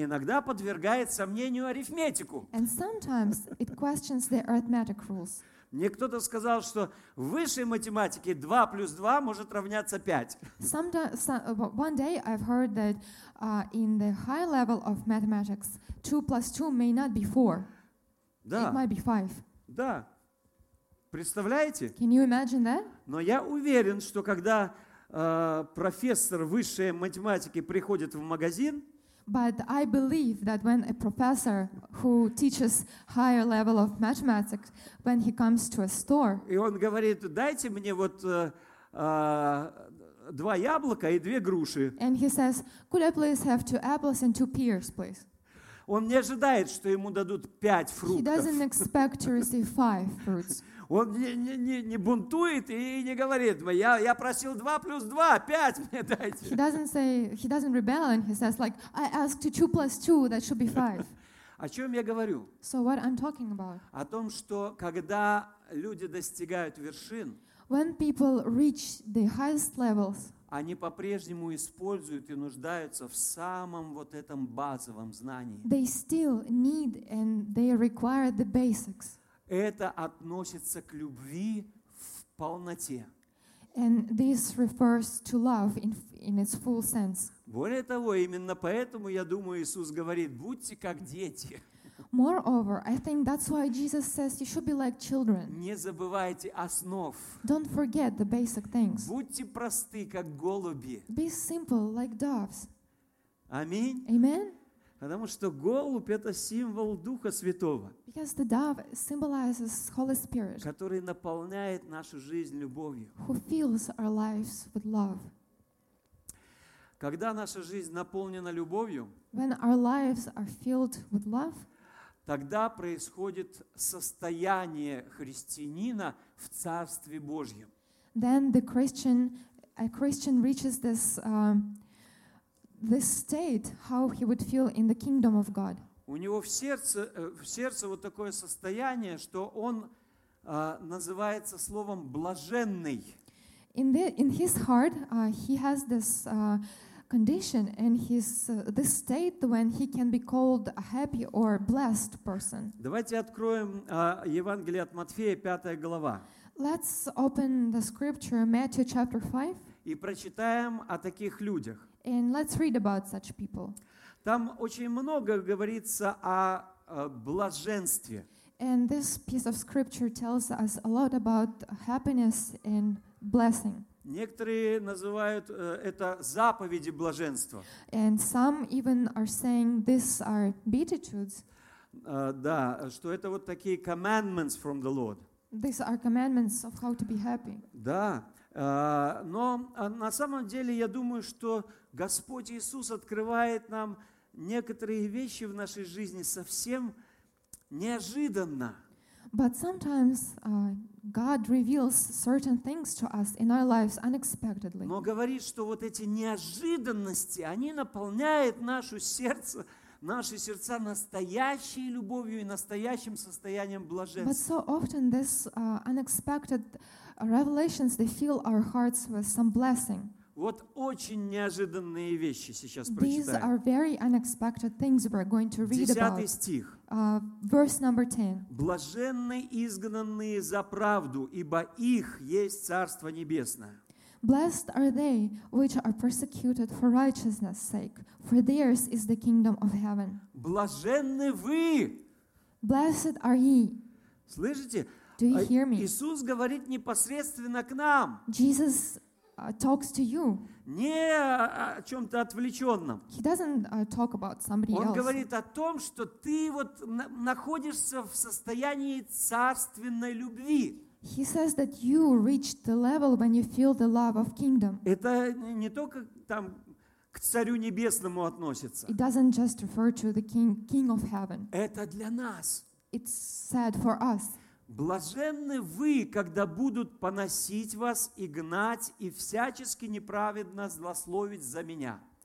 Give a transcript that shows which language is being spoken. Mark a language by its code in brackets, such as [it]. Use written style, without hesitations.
[ru] Иногда подвергает сомнению арифметику. [en] And sometimes it questions the arithmetic rules. [ru] Мне кто-то сказал, что в высшей математике 2 плюс 2 может равняться 5. [en] One day I've heard that in the high level of mathematics 2 plus 2 may not be 4. [ru] Да. [en] It might be 5. [ru] Да. Представляете? [en] Can you imagine that? [ru] Но я уверен, что когда профессор высшей математики приходит в магазин, [en] but I believe that when a professor who teaches higher level of mathematics, when he comes to a store, [ru] и он говорит, дайте мне вот два яблока и две груши. [en] And he says, could I please have two apples and two pears, please? [ru] Он не ожидает, что ему дадут пять фруктов. [en] He doesn't expect to receive five fruits. [ru] Он не бунтует и не говорит, я просил 2 плюс 2, 5 мне дайте. [en] He doesn't rebel and he says, like, I asked 2 plus 2, that should be 5. [ru] О чем я говорю? [en] So what I'm talking about? [ru] О том, что когда люди достигают вершин, [en] when people reach the highest levels, [ru] они по-прежнему используют и нуждаются в самом вот этом базовом знании. [en] They still need and they require the basics. [ru] Это относится к любви в полноте. [en] And this refers to love in its full sense. [ru] Более того, именно поэтому, я думаю, Иисус говорит, будьте как дети. [en] Moreover, I think that's why Jesus says you should be like children. [ru] Не забывайте основ. [en] Don't forget the basic things. [ru] Будьте просты, как голуби. [en] Be simple, like doves. [ru] Аминь. [en] Amen. [ru] Потому что голубь — это символ Духа Святого, [en] because the dove symbolizes Holy Spirit, [ru] который наполняет нашу жизнь любовью, [en] who fills our lives with love. [ru] Когда наша жизнь наполнена любовью, [en] when our lives are filled with love, [ru] тогда происходит состояние христианина в Царстве Божьем. [en] Then a Christian reaches this this state, how he would feel in the kingdom of God. [ru] У него в сердце вот такое состояние, что он называется словом блаженный. [en] In his heart, he has this condition and this state when he can be called a happy or blessed person. [ru] Давайте откроем Евангелие от Матфея, 5 глава. [en] Let's open the scripture, Matthew chapter 5. [ru] И прочитаем о таких людях. [en] And let's read about such people. [ru] Там очень много говорится о блаженстве. [en] And this piece of scripture tells us a lot about happiness and blessing. [ru] Некоторые называют это заповеди блаженства. [en] And some even are saying these are beatitudes. [ru] Да, что это вот такие [en] commandments from the Lord. These are commandments of how to be happy. [ru] Да. Но на самом деле я думаю, что Господь Иисус открывает нам некоторые вещи в нашей жизни совсем неожиданно. [en] But sometimes God reveals certain things to us in our lives unexpectedly. [ru] Но говорит, что вот эти неожиданности, они наполняют наши сердца настоящей любовью и настоящим состоянием блаженства. [en] But so often these unexpected revelations, they fill our hearts with some blessing. [ru] Вот очень неожиданные вещи сейчас прочитаем. [en] These are very unexpected things we're going to read about. [ru] 10 стих. [en] Verse number 10. [ru] Блаженны изгнанные за правду, ибо их есть Царство Небесное. [en] Blessed are they which are persecuted for righteousness' sake, for theirs is the kingdom of heaven. [ru] Блаженны вы. [en] Blessed are ye. [ru] Слышите? [en] Do you hear me? [ru] Иисус говорит непосредственно к нам. [en] Jesus talks to you. [ru] Не о чем-то отвлеченном. [en] He doesn't talk about somebody [ru] Он [en] else. [ru] Говорит о том, что ты вот находишься в состоянии царственной любви. [en] He says that you reach the level when you feel the love of kingdom. [ru] Это не только там к Царю Небесному относится. [en] It doesn't just refer to the king of heaven. [ru] Это для нас. [en] It's said for us. [ru] Блаженны вы, когда будут поносить вас и гнать и всячески неправедно злословить за меня.